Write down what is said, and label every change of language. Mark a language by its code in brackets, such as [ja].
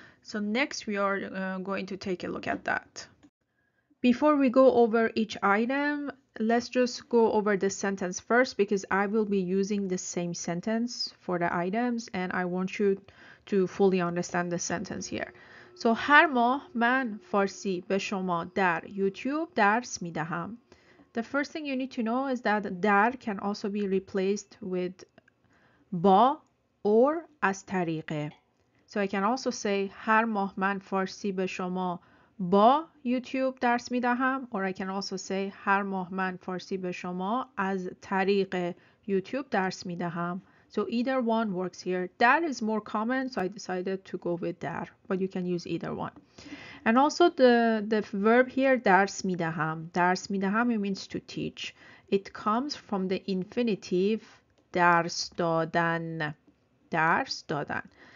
[en] So next we are going to take a look at that. Before we go over each item, let's just go over the sentence first, because I will be using the same sentence for the items and I want you to fully understand the sentence here. [fa] So هر ماه من فارسی به شما در یوتیوب درس می دهم. [en] The first thing you need to know is that در can also be replaced with با or [fa] از طریق. [en] So I can also say [fa] هر ماه من فارسی به شما با یوتیوب درس می دهم, [en] or I can also say [fa] هر ماه من فارسی به شما از طریق یوتیوب درس می دهم. [en] So either one works here. That is more common, so I decided to go with در, but you can use either one. And also the verb here, [fa] درس می دهم. درس می دهم, [en] it means to teach. It comes from the infinitive [fa] درس دادن. درس دادن.